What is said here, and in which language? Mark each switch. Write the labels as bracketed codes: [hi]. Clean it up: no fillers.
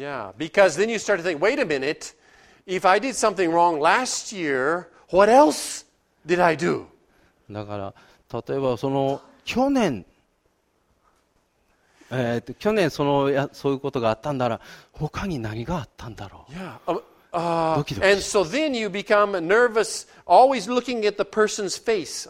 [en] Yeah, because then you start to think, wait a minute, if I did something wrong last year, what else did I do? [ja] だから例えばその去年そのやそういうことがあったんだら他に何があったんだろう。ドキドキ。 [en] And so then you become nervous, always looking at the person's face.